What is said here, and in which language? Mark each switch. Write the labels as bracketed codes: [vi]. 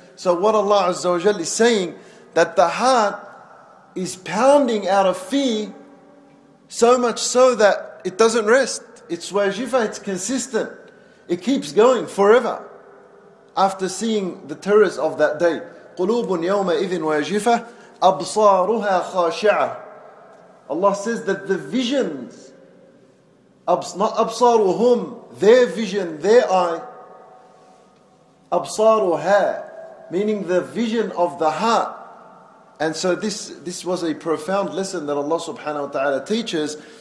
[en] So what Allah Azza wa Jalla is saying, that the heart is pounding out of fear, so much so that it doesn't rest. It's wajifa, it's consistent. It keeps going forever after seeing the terrors of that day. [ar] قُلُوبٌ يَوْمَ إِذٍ wajifa أَبْصَارُهَا خَاشِعَةٌ. [en] Allah says that the visions, not أَبْصَارُهُمْ, their vision, their eye, أَبْصَارُهَا, meaning the vision of the heart. And so this was a profound lesson that Allah subhanahu wa ta'ala teaches.